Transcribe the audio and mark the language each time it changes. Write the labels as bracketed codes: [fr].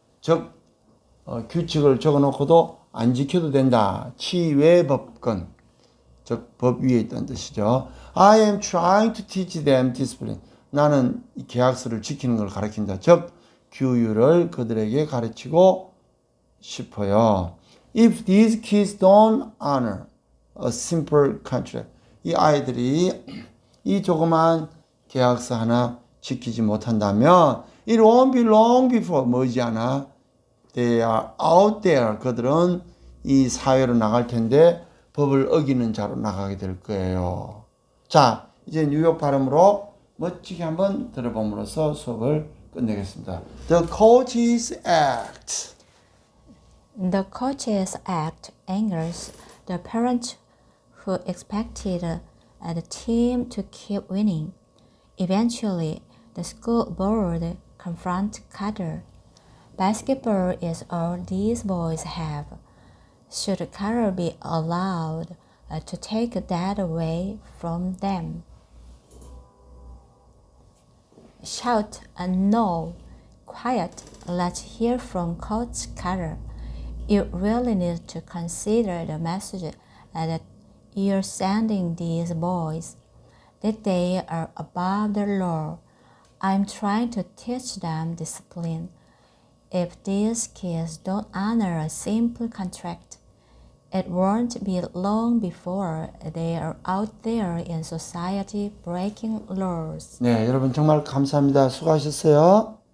[ko] 즉, 규칙을 적어놓고도 안 지켜도 된다. 치외 법권. 즉, 법 위에 있다는 뜻이죠. [en] I am trying to teach them discipline. [ko] 나는 이 계약서를 지키는 걸 가르친다. 즉, 규율을 그들에게 가르치고 싶어요. [en] If these kids don't honor a simple contract. [ko] 이 아이들이 이 조그만 계약서 하나 지키지 못한다면, [en] it won't be long before, [ko] 머지않아. [en] They are out there. [ko] 그들은 이 사회로 나갈 텐데, 법을 어기는 자로 나가게 될 거예요. 자, 이제 뉴욕 발음으로 멋지게 한번 들어봄으로써 수업을 끝내겠습니다. [en] The coaches act. The coaches act angers the parents who expected the team to keep winning. Eventually, the school board confronts Carter. Basketball is all these boys have. Should Carter be allowed to take that away from them? Shout no. Quiet. Let's hear from Coach Carter. You really need to consider the message that you're sending these boys, that they are above the law. I'm trying to teach them discipline. If these kids don't honor a simple contract, it won't be long before they are out there in society breaking laws. [ko] 네, 여러분 정말 감사합니다. 수고하셨어요.